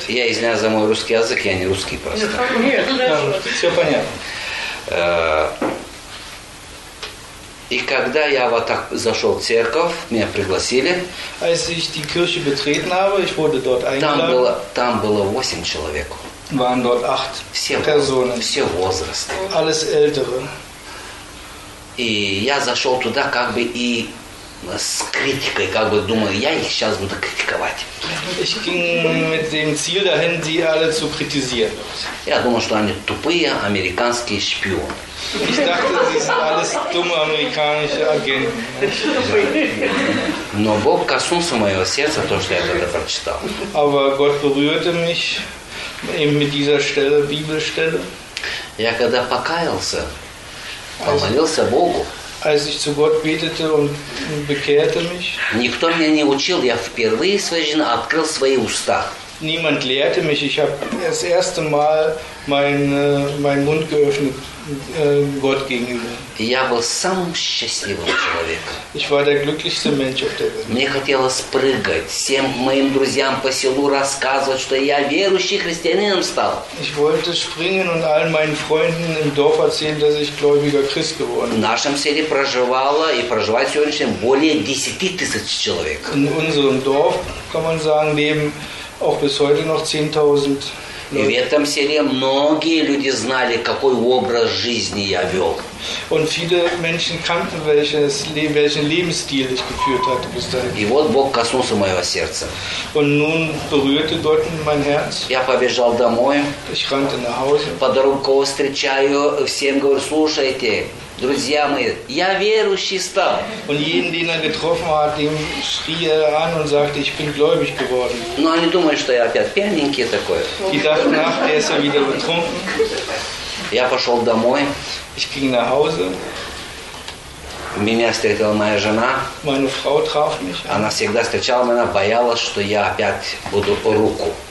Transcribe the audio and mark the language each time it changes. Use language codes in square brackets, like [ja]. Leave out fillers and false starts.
[ru] Я извиняюсь за мой русский язык, я не русский просто. Нет, все понятно. И когда я вот так зашел в церковь, меня пригласили. [de] Als ich die Kirche betreten habe, ich wurde dort eingeladen. [ru] Там было 8 человек. [de] Waren dort 8 [ru] все [de] Personen. [ru] Все возрасты. [de] Alles ältere. [ru] И я зашел туда как бы и с критикой, как бы думаю, я их сейчас буду критиковать. [de] Ich ging mit dem Ziel dahin, sie alle zu kritisieren. [ru] Я думал, что они тупые американские шпионы. [de] Ich dachte, sie sind alles dumme amerikanische Agenten. [ru] Но Бог коснулся моего сердца, то, что я тогда прочитал. [de] Aber Gott berührte mich eben mit dieser Stelle, Bibelstelle. [ru] Я когда покаялся, помолился Богу. [de] Als ich zu Gott betete und bekehrte mich. [ru] Никто меня не учил, я впервые своей жизни открыл свои уста. [de] Niemand lehrte mich, ich habe das erste Mal meinen Mund geöffnet Gott gegenüber. [ru] Я был самым счастливым человеком. [de] Ich war der glücklichste Mensch auf der Welt. [ru] Мне хотелось прыгать, всем моим друзьям по селу рассказывать, что я верующий христианином стал. [de] Ich wollte springen und allen meinen Freunden im Dorf erzählen, dass ich gläubiger Christ geworden bin. [ru] В нашем селе проживало и проживает сегодня более 10 000 человек. [de] In unserem Dorf kann man sagen, leben auch bis heute noch 10.000. [ru] И в этом селе многие люди знали, какой образ жизни я вел. [de] Und viele Menschen kannten, welchen Lebensstil ich geführt hatte bis dahin. [ru] И вот Бог коснулся моего сердца. [de] Und nun berührte Gott mein Herz. [ru] Я побежал домой. [de] Ich rannte nach Hause. [ru] По дороге кого встречаю, всем говорю, слушайте, друзья мои, я верующий стал. [de] Und jeden, den er getroffen hat, dem schrie er an und sagte, ich bin gläubig geworden. [ru] Но они думают, что я опять пьяненький такой. [de] Die dachten nach, der ist ja wieder betrunken. [ru] Я пошел домой. [de] Ich ging nach Hause. [ru] Меня встретила моя жена. [de] Meine Frau traf mich. [ru] Она всегда встречала меня, боялась, что я опять буду по руку.